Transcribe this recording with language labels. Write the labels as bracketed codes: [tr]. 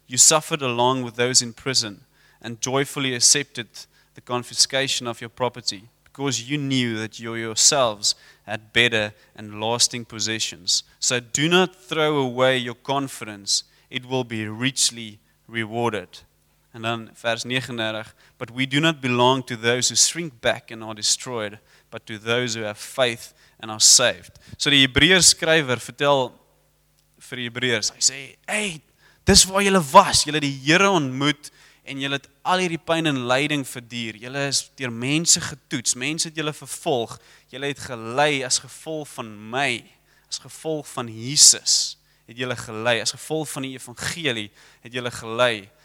[en] You suffered along with those in prison and joyfully accepted the confiscation of your property because you knew that you yourselves had better and lasting possessions. So do not throw away your confidence. It will be richly rewarded. And then verse 39, but we do not belong to those who shrink back and are destroyed, but to those who have faith and are saved. [af] So die Hebreërs skrywer vertel vir die Hebreërs, hy sê, hey, dis waar julle was, julle die Here ontmoet, en julle het al hierdie pyn en lyding verduur. Julle is deur mense getoets, mense het julle vervolg, julle het gelei as gevolg van my, as gevolg van Jesus, het julle gelei, as gevolg van die evangelie, het julle gelei.